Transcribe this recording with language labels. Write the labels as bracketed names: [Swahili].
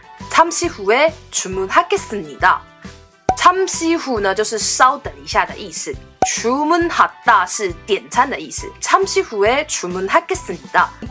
[Korean] 잠시 후에 주문하겠습니다. [Chinese] 잠시 후呢就是稍等一下的意思。주문하다是点餐的意思。 [Korean] 잠시 후에 주문하겠습니다.